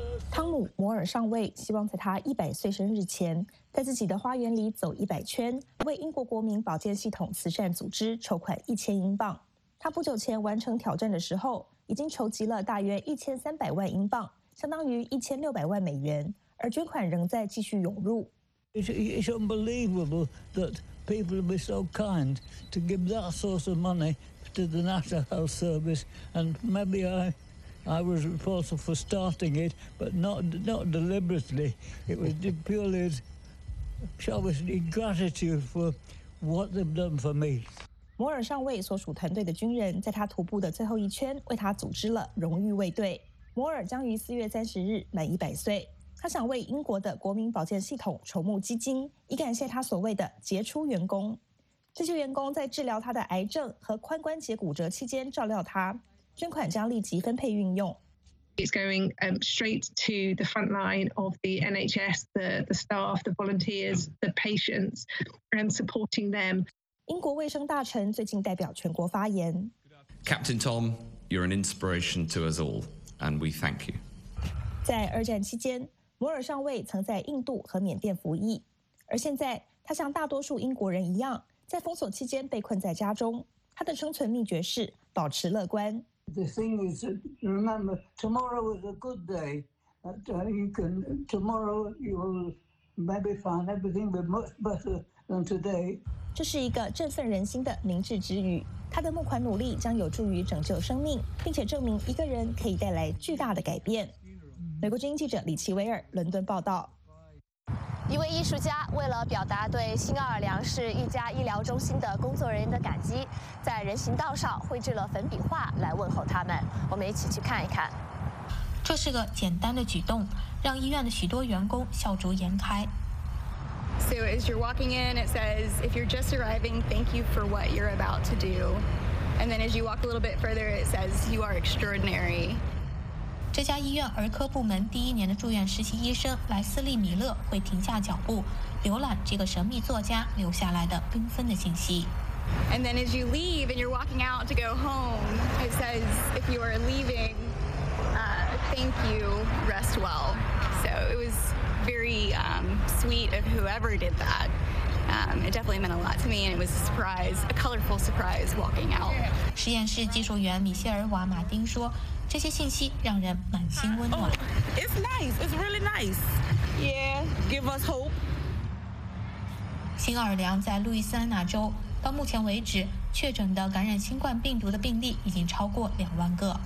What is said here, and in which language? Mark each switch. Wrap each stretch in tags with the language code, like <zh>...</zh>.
<zh>汤姆·摩尔上尉希望在他100岁生日前，在自己的花园里走100圈，为英国国民保健系统慈善组织筹款1000英镑。他不久前完成挑战的时候，已经筹集了大约1300万英镑，相当于1600万美元。而捐款仍在继续涌入。</zh> <en>It's unbelievable that people be so kind to give that source of money to the National Health Service, and maybe I was responsible for starting it, but not deliberately. It was purely, shall we say, gratitude for what they've done for me.</en> <zh>摩尔上尉所属团队的军人在他徒步的最后一圈为他组织了荣誉卫队。摩尔将于4月30日满100岁。他想为英国的国民保健系统筹募基金，以感谢他所谓的杰出员工。这些员工在治疗他的癌症和髋关节骨折期间照料他，捐款将立即分配运用。</zh> <en>It's going straight to the front line of the NHS, the staff, the volunteers, the patients, and supporting them.</en> <zh>英国卫生大臣最近代表全国发言。</zh> <en>Captain Tom, you're an inspiration to us all, and we thank you.</en> <zh>在二战期间，摩尔上尉曾在印度和缅甸服役，而现在他像大多数英国人一样，在封锁期间被困在家中。他的生存秘诀是保持乐观。</zh> <en>The thing is, remember, tomorrow is a good day. You can tomorrow you will maybe find everything be much better than today.</en> <zh>这是一个振奋人心的明智之语。他的募款努力将有助于拯救生命，并且证明一个人可以带来巨大的改变。美国之音记者李奇威尔伦敦报道。一位艺术家为了表达对新奥尔良市一家医疗中心的工作人员的感激，在人行道上绘制了粉笔画来问候他们。我们一起去看一看。这是个简单的举动，让医院的许多员工笑逐颜开。</zh> <en>So as you're walking in, it says, if you're just arriving, thank you for what you're about to do. And then as you walk a little bit further, it says, you are extraordinary.</en> <zh>这家医院儿科部门第一年的住院实习医生莱斯利·米勒会停下脚步，浏览这个神秘作家留下来的缤纷的信息。</zh> <en>And then as you leave and you're walking out to go home, it says if you are leaving, thank you, rest well. So it was very sweet of whoever did that. It definitely meant a lot to me, and it was a surprise, a colorful surprise walking out.</en> <zh>实验室技术员米歇尔·瓦马丁说。这些信息让人满心温暖。</zh> <en>Oh, it's nice. It's really nice. Yeah, give us hope.</en> <zh>新奥尔良在路易斯安那州，到目前为止，确诊的感染新冠病毒的病例已经超过20000个。</zh>